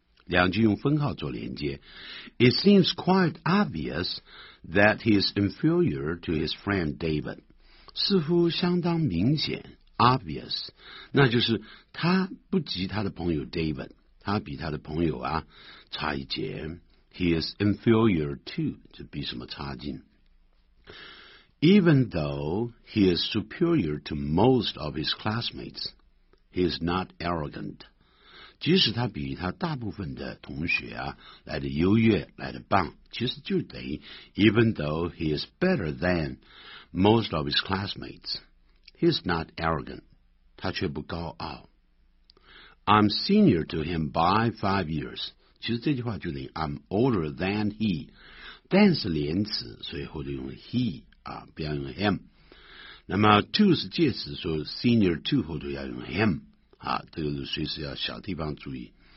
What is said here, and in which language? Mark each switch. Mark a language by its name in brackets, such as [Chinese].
[Chinese] 两句用分号做连接， [English] It seems quite obvious that he is inferior to his friend David， [Chinese] 似乎相当明显 obvious， 那就是他不及他的朋友 David， 他比他的朋友啊差一截， [English] He is inferior to， [Chinese] 就比什么差劲。 [English] Even though he is superior to most of his classmates， He is not arrogant， [Chinese] 即使他比他大部分的同学啊来得优越来得棒，其实就等于 [English] even though he is better than most of his classmates， he is not arrogant， [Chinese] 他却不高傲。 [English] I'm senior to him by 5 years， [Chinese] 其实这句话就等于 [English] I'm older than he， than [Chinese] 是连词，所以后头用 [English] he [Chinese] 啊，不要用 [English] him， 那么 to [Chinese] 是介词，所以 [English] senior to [Chinese] 后头要用 [English] him [Chinese] 啊，这个随时要小地方注意。